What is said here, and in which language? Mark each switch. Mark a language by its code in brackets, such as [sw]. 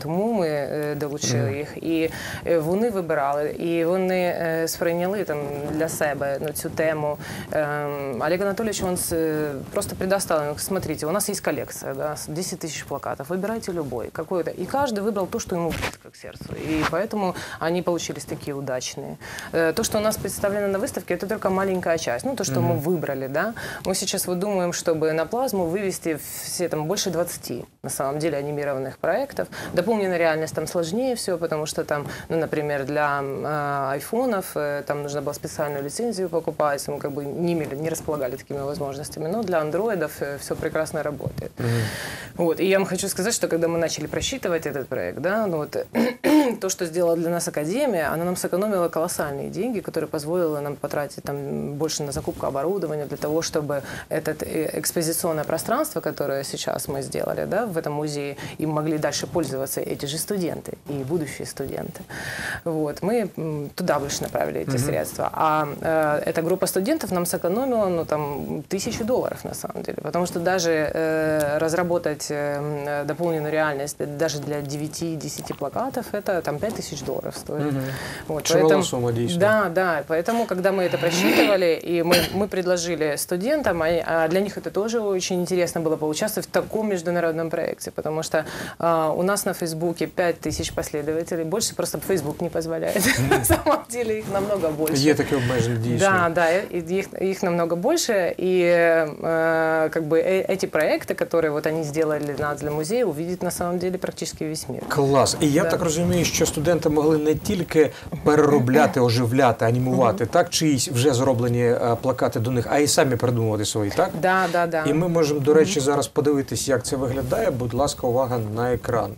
[uk] Тому ми долучили їх. І вони вибирали, і вони сприйняли там для себе, ну, цю тему. Олег Анатольович, він просто предоставив. [ru] Смотрите, [uk] у нас є колекція, да, 10 тисяч плакатів. Вибирайте любой. Какой-то. І кожен вибрав те, що йому близько к серцю. І тому вони вийшли такі удачні. То, що [ru] у нас представлено на выставке, это только маленькая часть. Ну, то, что mm-hmm. мы выбрали, да. Мы сейчас вот думаем, чтобы на плазму вывести все там больше 20, на самом деле, анимированных проектов. Дополненная реальность там сложнее все, потому что там, ну, например, для айфонов там нужно было специальную лицензию покупать. Мы как бы не располагали такими возможностями. Но для андроидов все прекрасно работает. Mm-hmm. Вот. И я вам хочу сказать, что когда мы начали просчитывать этот проект, да, ну, вот то, что сделала для нас Академия, она нам сэкономила колоссальные деньги, которые позволили нам потратить там больше на закупку оборудования для того, чтобы это экспозиционное пространство, которое сейчас мы сделали, да, в этом музее, им могли дальше пользоваться эти же студенты и будущие студенты. Вот, мы туда больше направили эти mm-hmm. средства. А эта группа студентов нам сэкономила, ну, там, $1000, на самом деле. Потому что даже разработать дополненную реальность даже для 9-10 плакатов, это там, 5 тысяч долларов стоили. Угу. Вот, чувала поэтому, сумма действия. Да, да. Поэтому, когда мы это просчитывали, и мы предложили студентам, а для них это тоже очень интересно было поучаствовать в таком международном проекте, потому что у нас на Фейсбуке 5 тысяч последователей. Больше просто Фейсбук не позволяет. На самом деле их намного больше. Есть такие обмежные действия. Да, да. Их намного больше. И как бы эти проекты, которые вот они сделали для музея, увидеть на самом деле практически весь мир. [uk] Клас. І я так розумію, що студенти могли не тільки переробляти, оживляти, анімувати, так, чиїсь вже зроблені плакати до них, а й самі придумувати свої, так? [ru] Да, да, да. [uk] І ми можемо, до речі, зараз подивитись, як це виглядає. Будь ласка, увага на екран.